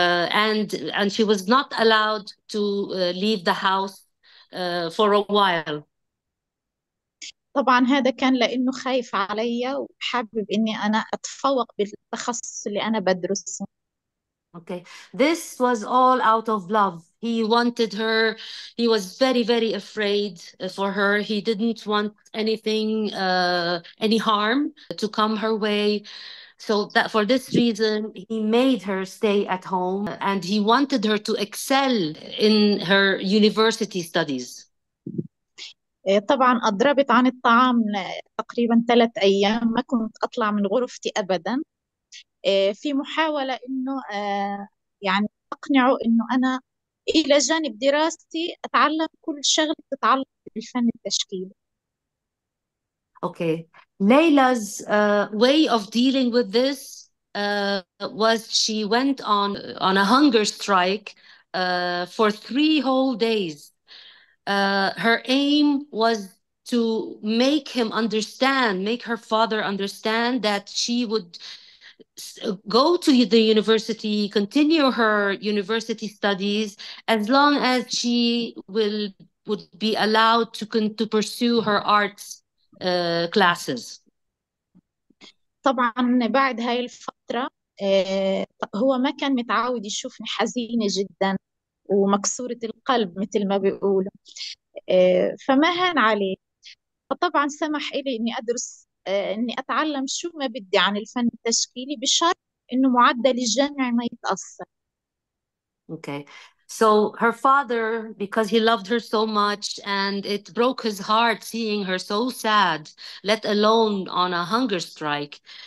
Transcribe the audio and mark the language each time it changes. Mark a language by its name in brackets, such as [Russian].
[English] And she was not allowed to leave the house for a while. [Arabic] طبعا هذا كان لأنه خايف علي وحابب إني أنا أتفوق بالتخصص اللي أنا بدرسه. [English] Okay, this was all out of love. He wanted her. He was very, very afraid for her. He didn't want anything, any harm to come her way. So that for this reason, he made her stay at home and he wanted her to excel in her university studies. [Arabic] طبعا أضربت عن الطعام تقريبا 3 أيام، ما كنت أطلع من غرفتي أبدا، في محاولة إنه يعني أقنعه إنه أنا إلى جانب دراستي أتعلم كل شغل تتعلق بالفن التشكيلي. [English] Okay, Layla's way of dealing with this was she went on a hunger strike for 3 whole days. Her aim was to make him understand, make her father understand that she would go to the university, continue her university studies, as long as she would be allowed to pursue her arts classes. [Arabic] طبعا بعد هاي الفترة هو ما كان متعود يشوفني حزينة جدا ومكسورة القلب مثل ما بيقولوا، فما هان عليه، فطبعا سمح لي إني أدرس إني أتعلم شو ما بدي عن الفن التشكيلي بشرط إنه معدل الجامعي ما يتأثر. [English] Okay. So her father, because he loved her so much and it broke his heart seeing her so sad, let alone on a hunger strike,